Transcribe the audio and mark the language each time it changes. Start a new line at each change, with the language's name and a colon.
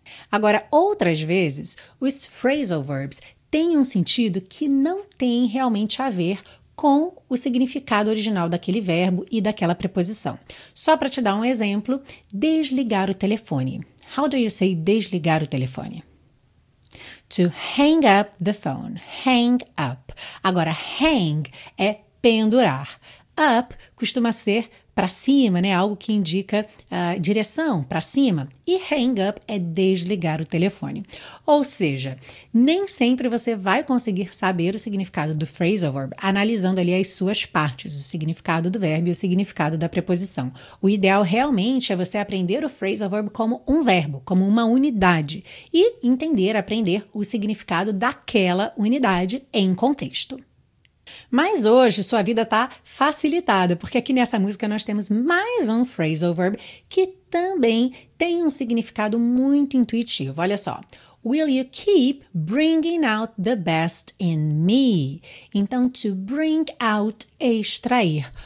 Portuguese: Agora, outras vezes, os phrasal verbs têm um sentido que não tem realmente a ver com o significado original daquele verbo e daquela preposição. Só para te dar um exemplo, desligar o telefone.
English: How do you say
Portuguese: desligar o telefone?
English: To hang up the phone, hang up.
Portuguese: Agora, hang é pendurar. Up costuma ser para cima, né? Algo que indica direção, para cima. E hang up é desligar o telefone. Ou seja, nem sempre você vai conseguir saber o significado do phrasal verb analisando ali as suas partes, o significado do verbo e o significado da preposição. O ideal realmente é você aprender o phrasal verb como um verbo, como uma unidade, e entender, aprender o significado daquela unidade em contexto. Mas hoje sua vida está facilitada, porque aqui nessa música nós temos mais um phrasal verb que também tem um significado muito intuitivo. Olha só.
English: Will you keep bringing out the best in me?
Portuguese: Então, to bring out, extrair.